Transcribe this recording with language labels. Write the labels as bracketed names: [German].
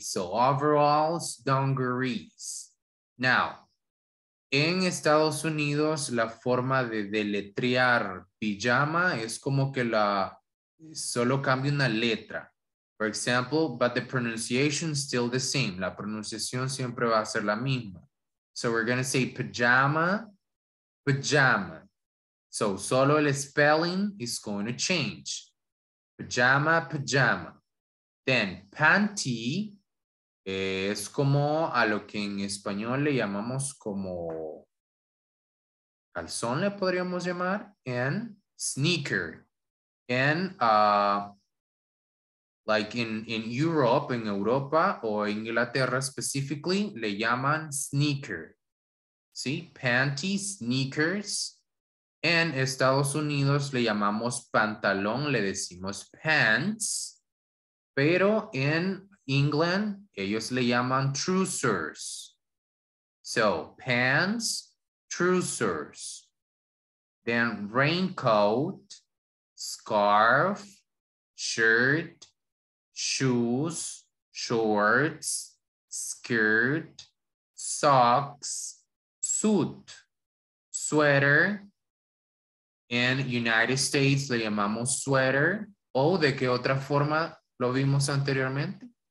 [Spanish] So overalls, dungarees. Now, en Estados Unidos, la forma de deletrear pijama es como que la solo cambia una letra. [English] For example, but the pronunciation is still the same. [Spanish] La pronunciación siempre va a ser la misma. [English] So we're going to say pajama, pajama. So, solo el spelling is going to change. [Spanish] Pajama, pajama. Then, panty es como a lo que en español le llamamos como calzón, le podríamos llamar. [English] And sneaker. And, like in Europe, [Spanish] en Europa o Inglaterra [English] specifically, [Spanish] le llaman [English] sneaker. ¿Sí? Panty, sneakers. [Spanish] En Estados Unidos le llamamos pantalón, le decimos pants, pero en England ellos le llaman trousers. [English] So, pants, trousers. Then raincoat, scarf, shirt, shoes, shorts, skirt, socks, suit, sweater. In United States, [Spanish] le llamamos [English] sweater. [Spanish] ¿O de qué otra forma lo vimos anteriormente?